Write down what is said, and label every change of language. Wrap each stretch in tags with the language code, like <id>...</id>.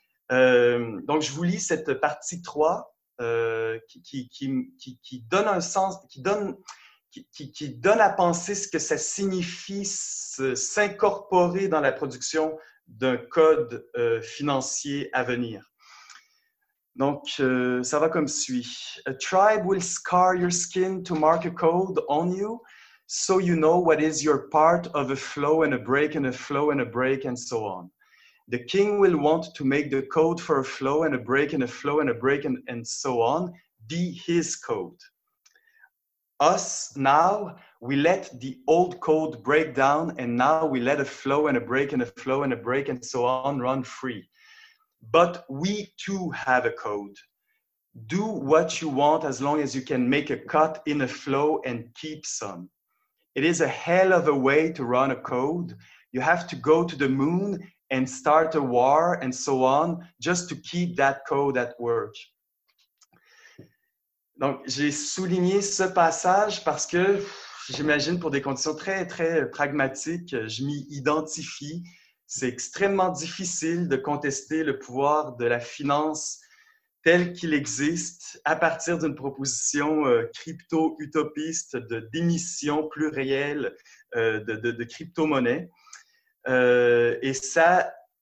<fr>Donc, je vous lis cette partie 3 qui donne un sens, qui donne à penser ce que ça signifie s'incorporer dans la production d'un code financier à venir. Donc, ça va comme suit.</fr> <en>A tribe will scar your skin to mark a code on you, so you know what is your part of a flow and a break and a flow and a break and so on. The king will want to make the code for a flow and a break and a flow and a break and so on be his code. Us, now, we let the old code break down and now we let a flow and a break and a flow and a break and so on run free. But we too have a code. Do what you want as long as you can make a cut in a flow and keep some. It is a hell of a way to run a code. You have to go to the moon and start a war and so on just to keep that code at work.</en> <fr>Donc, j'ai souligné ce passage parce que j'imagine pour des conditions très, très pragmatiques, je m'y identifie. C'est extrêmement difficile de contester le pouvoir de la finance tel qu'il existe à partir d'une proposition crypto-utopiste de démission plurielle de crypto-monnaie. Et ça</fr>